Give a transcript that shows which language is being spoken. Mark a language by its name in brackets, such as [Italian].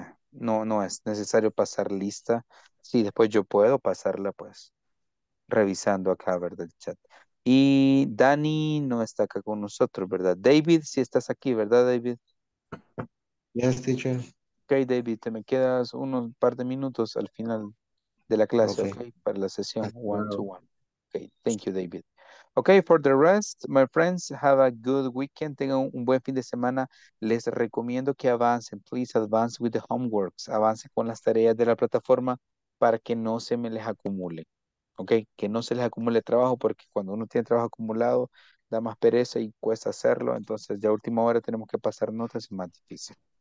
[Spanish] No, no es necesario pasar lista. Sí, después yo puedo pasarla, pues, revisando acá, ¿verdad? El chat. Y Dani no está acá con nosotros, ¿verdad? David, sí estás aquí, ¿verdad, David? [English] Yes, teacher. [Spanish] Ok, David, te me quedas unos par de minutos al final de la clase, ¿ok? Para la sesión one-to-one. [English] Ok, thank you, David. Ok, for the rest, my friends, have a good weekend. [Spanish] Tengan un buen fin de semana. Les recomiendo que avancen. [English] Please advance with the homeworks. [Spanish] Avance con las tareas de la plataforma para que no se me les acumule. Ok, que no se les acumule trabajo porque cuando uno tiene trabajo acumulado, da más pereza y cuesta hacerlo. Entonces, ya a última hora tenemos que pasar notas, es más difícil.